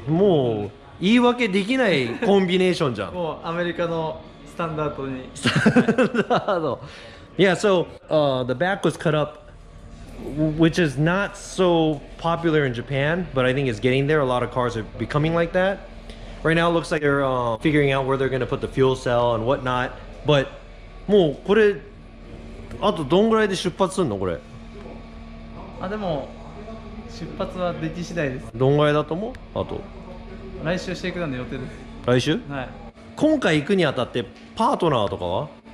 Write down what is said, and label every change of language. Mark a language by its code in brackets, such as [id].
[ja] もう言い訳できないコンビネーションじゃん。もうアメリカのスタンダードに。スタンダード。 [en] Yeah, so the back was cut up, which is not so popular in Japan, but I think it's getting there. A lot of cars are becoming like that. Right now it looks like they're figuring out where they're going to put the fuel cell and whatnot. [ja] But もうこれ、あとどんぐらいで出発するのこれ。あ、でも。出発は出来次第です。どんぐらいだと思う？あと。来週シェイクダウンの予定です。来週？はい。今回行くにあたってパートナーとかは？